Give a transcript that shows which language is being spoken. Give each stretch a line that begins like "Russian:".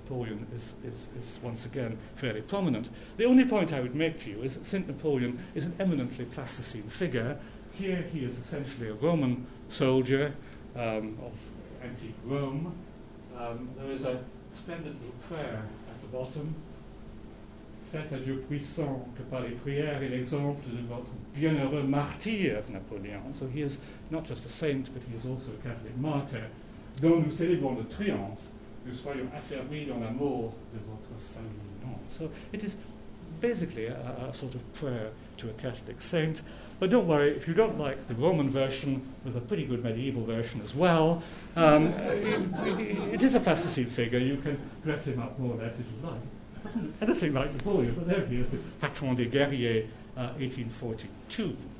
English: Napoleon is once again fairly prominent. The only point I would make to you is that St. Napoleon is an eminently Plasticine figure. Here he is essentially a Roman soldier of antique Rome. There is a splendid little prayer at the bottom.
French: Faites à Dieu puissant que par les prières et l'exemple de votre bienheureux martyr, Napoléon.
English: So he is not just a saint, but he is also a Catholic martyr.
French: Dont nous célébrons le triomphe, nous soyons affermis dans l'amour de votre saint nom.
English: So it is basically a sort of prayer to a Catholic saint. But don't worry, if you don't like the Roman version, there's a pretty good medieval version as well. it is a Plasticine figure. You can dress him up more or less as you like. Anything like Napoleon, but there he is, the Patron des Guerriers, 1842.